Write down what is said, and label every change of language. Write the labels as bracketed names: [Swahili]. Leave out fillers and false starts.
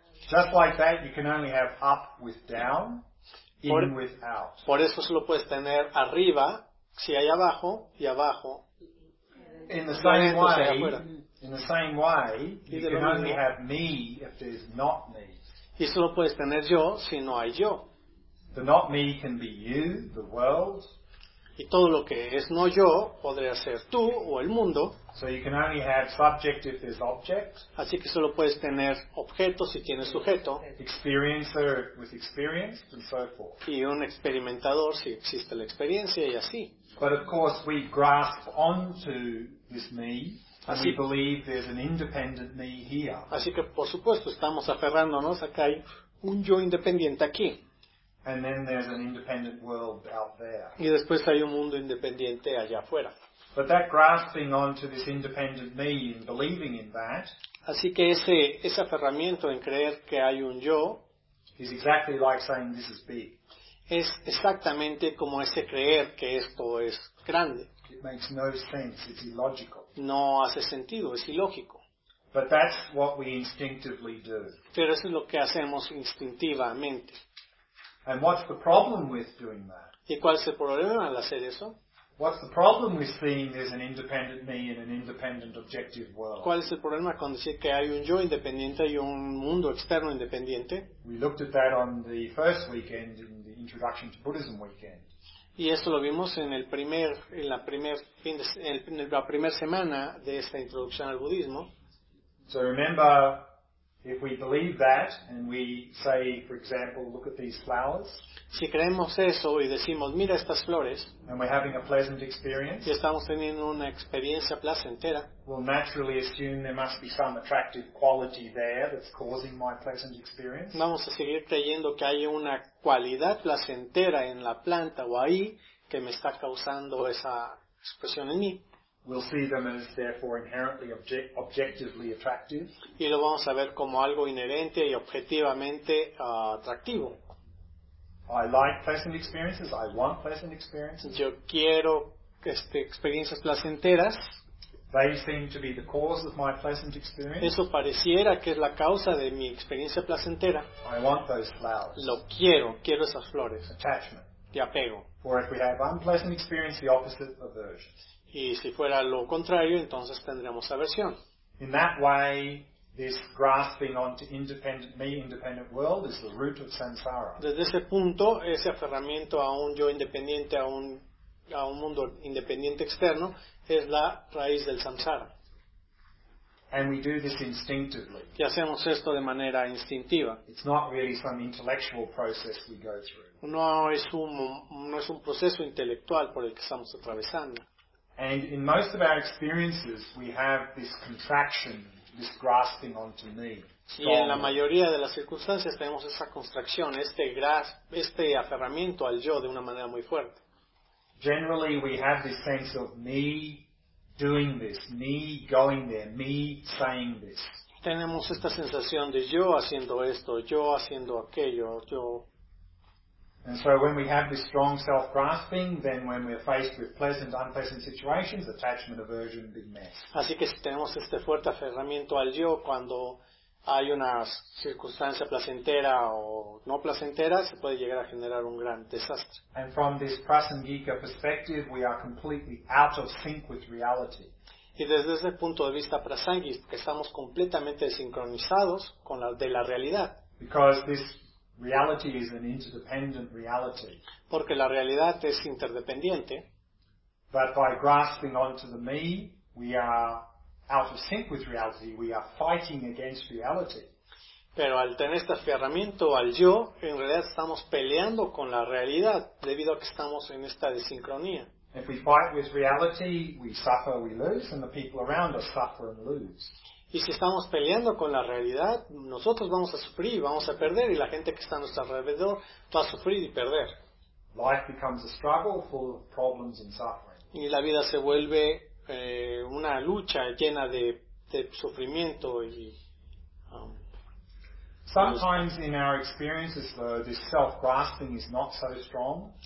[English] Just like that, you can only have up with down, in por, with out. [Spanish] Por eso solo puedes tener arriba si hay abajo y abajo. [English] In the same way, you can only have me if there's not me. [Spanish] Y solo puedes tener yo si no hay yo. [English] The not me can be you, the world. [Spanish] Y todo lo que es no yo podría ser tú o el mundo. [English] So you can only have subject if there's object. [Spanish] Así que solo puedes tener objeto si tienes sujeto. [English] Experiencer with experienced and so forth. [Spanish] Y un experimentador si existe la experiencia y así. [English] But of course we grasp onto this me. And we believe there's an independent me here. [Spanish] Así que por supuesto estamos aferrándonos a que hay un yo independiente aquí. [English] And then there's an independent world out there. [Spanish] Y después hay un mundo independiente allá afuera. [English] But that grasping onto this independent me and believing in that. [Spanish] Así que ese aferramiento en creer que hay un yo. [English] Is exactly like saying this is big. [Spanish] Es exactamente como ese creer que esto es grande. [English] It makes no sense. It's illogical. [Spanish] No hace sentido, es ilógico. [English] But that's what we instinctively do. [Spanish] Pero eso es lo que hacemos instintivamente. [English] And what's the problem with doing that? [Spanish] ¿Y cuál es el problema al hacer eso? [English] What's the problem with seeing there's an independent me in an independent objective world? [Spanish] ¿Cuál es el problema con decir que hay un yo independiente y un mundo externo independiente? [English] We looked at that on the first weekend in the Introduction to Buddhism weekend. [Spanish] Y eso lo vimos en la primera semana de esta introducción al budismo. [English] So remember, if we believe that and we say, for example, look at these flowers. [Spanish] Si creemos eso y decimos, mira estas flores. [English] And we're having a pleasant experience. [Spanish] Y estamos teniendo una experiencia placentera. [English] We'll naturally assume there must be some attractive quality there that's causing my pleasant experience. [Spanish] Vamos a seguir creyendo que hay una cualidad placentera en la planta o ahí que me está causando esa expresión en mí. [English] We'll see them as therefore inherently objectively attractive. [Spanish] Y lo vamos a ver como algo inherente y objetivamente atractivo. [English] I like pleasant experiences. I want pleasant experiences. [Spanish] Yo quiero experiencias placenteras. [English] They seem to be the cause of my pleasant experience. [Spanish] Eso pareciera que es la causa de mi experiencia placentera. [English] I want those flowers. [Spanish] Lo quiero. Quiero esas flores. [English] Attachment. [Spanish] De apego. [English] Or if we have unpleasant experience, the opposite aversion. [Spanish] Y si fuera lo contrario, entonces tendríamos aversión. [English] In that way, this grasping onto independent me, independent world is the root of samsara. [Spanish] Desde ese punto, ese aferramiento a un yo independiente, a un mundo independiente externo, es la raíz del samsara. [English] And we do this instinctively. [Spanish] Y hacemos esto de manera instintiva. [English] It's not really some intellectual process we go through. [Spanish] No es un proceso intelectual por el que estamos atravesando. [English] And in most of our experiences, we have this contraction, this grasping onto me. [Spanish] Y en la mayoría de las circunstancias tenemos esa contracción, este aferramiento al yo de una manera muy fuerte. [English] Generally, we have this sense of me doing this, me going there, me saying this. [Spanish] Tenemos esta sensación de yo haciendo esto, yo haciendo aquello, yo. [English] And so when we have this strong self-grasping, then when we're faced with pleasant, unpleasant situations, attachment, aversion, big mess. [Spanish] Así que si tenemos este fuerte aferramiento al yo, cuando hay una circunstancia placentera o no placentera, se puede llegar a generar un gran desastre. [English] And from this prasangika perspective, we are completely out of sync with reality. [Spanish] Y desde ese punto de vista prasangika, que estamos completamente sincronizados con la de la realidad. [English] Because this reality is an interdependent reality. [Spanish] Porque la realidad es interdependiente. [English] But by grasping onto the me, we are out of sync with reality. We are fighting against reality. [Spanish] Pero al tener este aferramiento al yo, en realidad estamos peleando con la realidad debido a que estamos en esta desincronía. [English] If we fight with reality, we suffer, we lose, and the people around us suffer and lose. [Spanish] Y si estamos peleando con la realidad, nosotros vamos a sufrir y vamos a perder, y la gente que está a nuestro alrededor va a sufrir y perder. [English] Life becomes a struggle full of problems and suffering. [Spanish] Y la vida se vuelve una lucha llena de sufrimiento y. [English] Sometimes in our experiences, though, this self-grasping is not so strong.